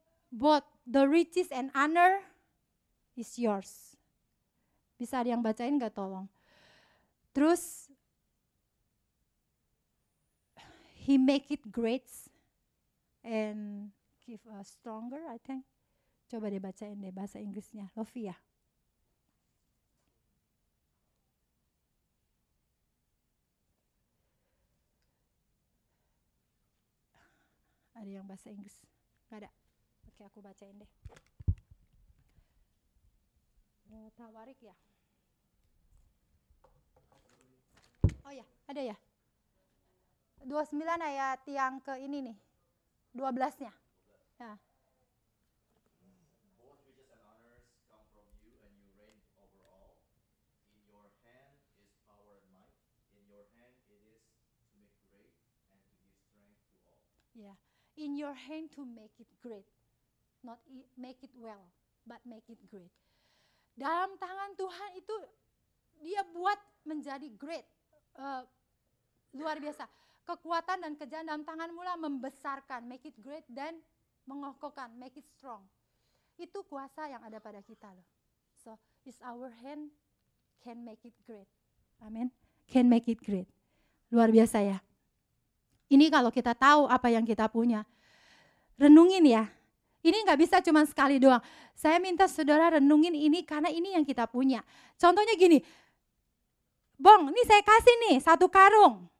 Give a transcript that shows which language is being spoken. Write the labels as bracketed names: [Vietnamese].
[English] Both the riches and honor is yours. [Indonesian] Bisa ada yang bacain enggak tolong? Terus, [English] he make it great and give us stronger, I think. [Indonesian] Coba deh bacain deh bahasa Inggrisnya. Lovia. Ada yang bahasa Inggris? Enggak ada. Oke, aku bacain deh. Tawarik ya? Oh ya, ada ya? 29 ayat yang ke ini nih. 12-nya. Ya. [English] In your hand to make it great, not make it well, but make it great. [Indonesian] Dalam tangan Tuhan itu dia buat menjadi great, luar biasa. Kekuatan dan kejayaan dalam tangan mula membesarkan, [English] make it great, [Indonesian] dan mengokohkan, [English] make it strong. [Indonesian] Itu kuasa yang ada pada kita loh. [English] So, is our hand can make it great. Amen. Can make it great. [Indonesian] Luar biasa ya. Ini kalau kita tahu apa yang kita punya. Renungin ya, ini gak bisa cuma sekali doang. Saya minta saudara renungin ini karena ini yang kita punya. Contohnya gini, Bong, ini saya kasih nih satu karung.